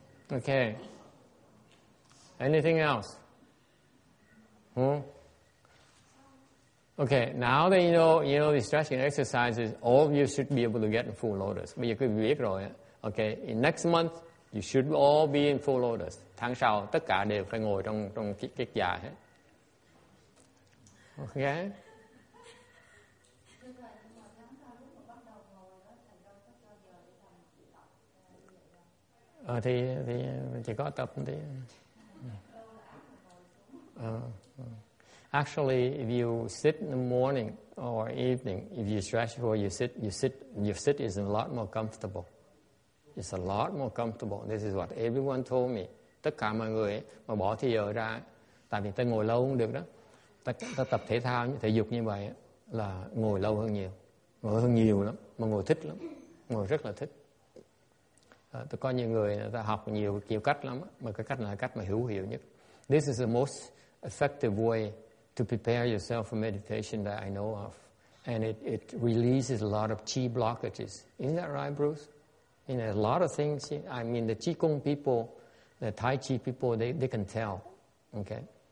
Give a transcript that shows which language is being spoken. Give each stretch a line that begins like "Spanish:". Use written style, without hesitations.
English: Okay. Anything else? Okay, now that you know the stretching exercises, all of you should be able to get in full lotus. But you could be
Vietnamese: rồi.
English: Okay, in next month, you should all be in full lotus.
Vietnamese: Tháng sau, tất cả đều phải ngồi trong kiết già hết.
English: Okay?
Vietnamese: Thì chỉ có tập thì.
English: Actually, if you sit in the morning or evening, if you stretch before your sit is a lot more comfortable. It's a lot more comfortable. This is what everyone told me.
Vietnamese: Tất cả mọi người mà bỏ thì giờ ra, tại vì ta ngồi lâu không được đó. Ta tập thể thao, thể dục như vậy là ngồi lâu hơn nhiều. Ngồi hơn nhiều lắm, mà ngồi thích lắm. Ngồi rất là thích. Tôi có nhiều người, ta học nhiều kiểu cách lắm, mà cái cách này là cách mà hữu hiệu nhất.
English: This is the most effective way to prepare yourself for meditation that I know of. And it releases a lot of qi blockages. Isn't that right, Bruce? You know, a lot of things, I mean, the qigong people, the tai chi people, they can tell, okay?